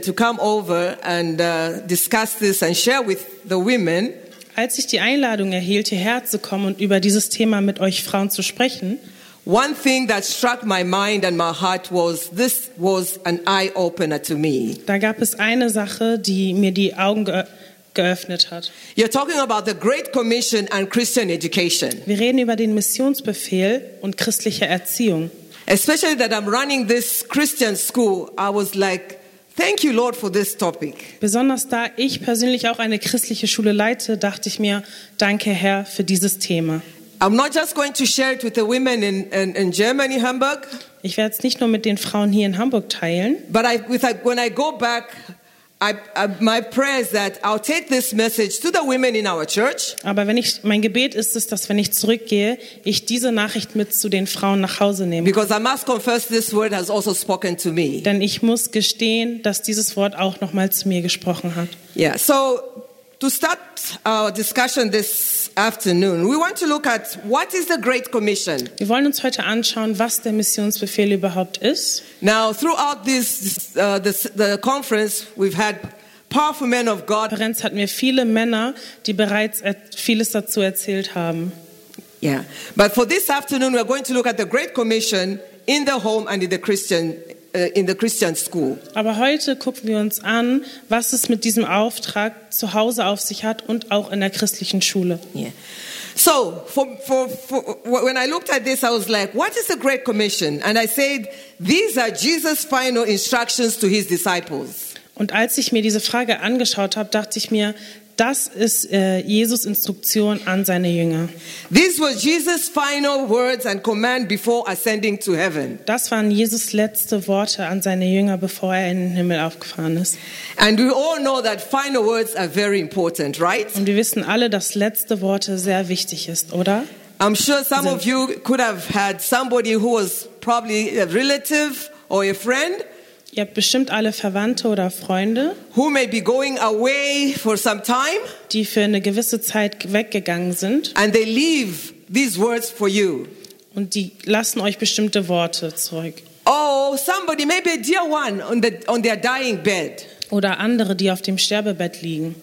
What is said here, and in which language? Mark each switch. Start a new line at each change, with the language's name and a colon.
English: To come over and discuss this and share with the women.
German: Als ich die Einladung erhielt, hierher zu kommen und über dieses Thema mit euch Frauen zu sprechen,
English: one thing that struck my mind and my heart was this was an eye opener to me.
German: Da gab es eine Sache, die mir die Augen geöffnet hat.
English: You're talking about the Great Commission and Christian Education.
German: Wir reden über den Missionsbefehl und christliche Erziehung.
English: Especially that I'm running this Christian school, I was like, thank you, Lord, for this topic.
German: Besonders da ich persönlich auch eine christliche Schule leite, dachte ich mir, danke Herr für dieses Thema.
English: I'm not just going to share it with the women in Germany, Hamburg.
German: Ich werde es nicht nur mit den Frauen hier in Hamburg teilen.
English: But when I go back, my prayer is that I'll take this message to the women in our church.
German: Aber wenn ich mein Gebet ist es, dass wenn ich zurückgehe, ich diese Nachricht mit zu den Frauen nach Hause nehme.
English: Because I must confess, this word has also spoken to me.
German: Denn ich muss gestehen, dass dieses Wort auch nochmal zu mir gesprochen hat.
English: Yeah. So to start our discussion this afternoon, we want to look at what is the Great Commission.
German: Wir wollen uns heute anschauen, was der Missionsbefehl überhaupt ist.
English: Now, throughout the conference, we've had powerful men of God.
German: Konferenz hatten wir viele Männer, die bereits vieles dazu erzählt haben.
English: Yeah, but for this afternoon, we're going to look at the Great Commission in the home and in the Christian school.
German: Aber heute gucken wir uns an, was es mit diesem Auftrag zu Hause auf sich hat und auch in der christlichen Schule.
English: Yeah. So, when I looked at this, I was like, what is the Great Commission? And I said, these are Jesus' final instructions to his disciples.
German: Und als ich mir diese Frage angeschaut habe, dachte ich mir, das ist Jesus' Instruktion an seine Jünger.
English: These were Jesus' final words and command before ascending to heaven.
German: Das waren Jesus' letzte Worte an seine Jünger, bevor er in den Himmel aufgefahren ist.
English: And we all know that final words are very important, right?
German: Und wir wissen alle, dass letzte Worte sehr wichtig ist, oder?
English: I'm sure some of you could have had somebody who was probably a relative or a friend.
German: Ihr habt bestimmt alle Verwandte oder Freunde,
English: who may be going away for some time,
German: die für eine gewisse Zeit weggegangen sind,
English: and they leave these words for you.
German: Und die lassen euch bestimmte Worte zurück.
English: Oh, somebody, maybe a dear one on their dying bed.
German: Oder andere, die auf dem Sterbebett liegen.